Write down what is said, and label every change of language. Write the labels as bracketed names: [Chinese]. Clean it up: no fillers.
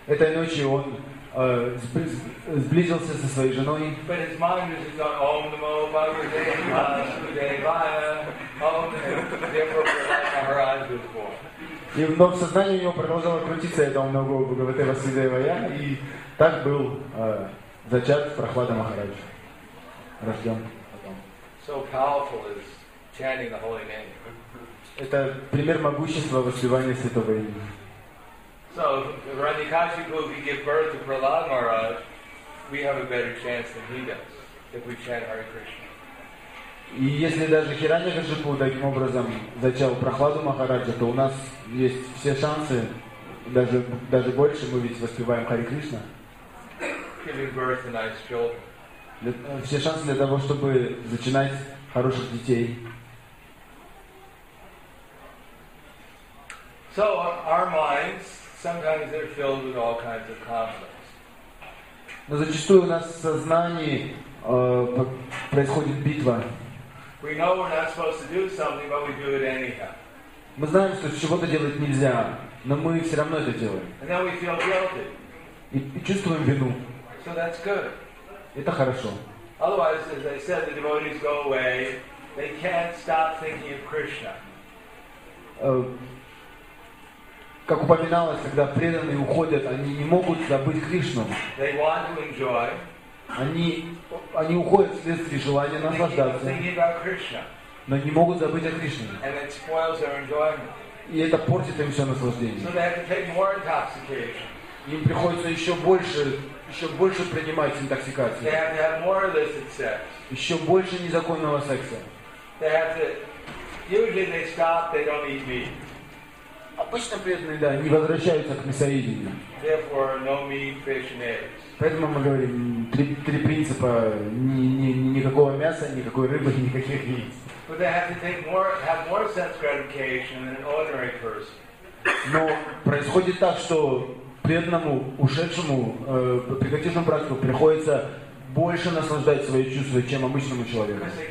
[Russian] Сблизился со своей женой. [English] But his mind was just going, [Sanskrit] Om Namo Bhagavate Vasudevaya. Om Namo Bhagavate Vasudevaya. [Russian] Но в сознании у него продолжало крутиться это [Sanskrit] Om Namo Bhagavate Vasudevaya. [Russian] И так был зачат Прохлада Махараджа. Рожден потом. [English] So powerful is chanting the holy name. [Russian] Это пример могущества воспевания святого имени. [English] So if Hiranyakashipu could give birth to Prahlad Maharaj, we have a better chance than he does if we chant Hare Krishna. [Russian] И если даже Хиранья-Кашипу таким образом зачал Прохладу Махараджа, то у нас есть все шансы, даже больше, мы ведь воспеваем Харе Кришна. [English] Giving birth to nice children. [Russian] все шансы для того, чтобы зачинать хороших детей. [English] So our minds sometimes they're filled with all kinds of conflicts. [Russian] Но зачастую у нас в сознании происходит битва. [English] We know we're not supposed to do something, but we do it anyhow. [Russian] Мы знаем, что чего-то делать нельзя, но мы все равно это делаем. [English] And then we feel guilty. [Russian] И чувствуем вину. [English] So that's good. [Russian] Это хорошо. [English] Otherwise, as I said, the devotees go away. They can't stop thinking of Krishna. [Russian] Как упоминалось, когда преданные уходят, они не могут забыть Кришну. [English] They want to enjoy. [Russian] Они уходят вследствие желания наслаждаться, но не могут забыть о Кришне. [English] And it spoils their enjoyment. [Russian] И это портит им все наслаждение. [English] So they have to take more intoxication. [Russian] Им приходится еще больше принимать интоксикации. [English] They have to have more illicit sex. [Russian] Еще больше незаконного секса. [English] They have to, usually they stop, they don't eat meat. [Russian] Обычно преданные, да, не возвращаются к мясоедению. [English] Therefore, no meat, fish, and eggs. [Russian] Поэтому мы говорим три принципа: никакого мяса, никакой рыбы, никаких яиц. [English] But they have to take have more sense gratification than an ordinary person. [Russian] Но происходит так, что преданному, ушедшему, прихотившему братству приходится больше наслаждать свои чувства, чем обычному человеку.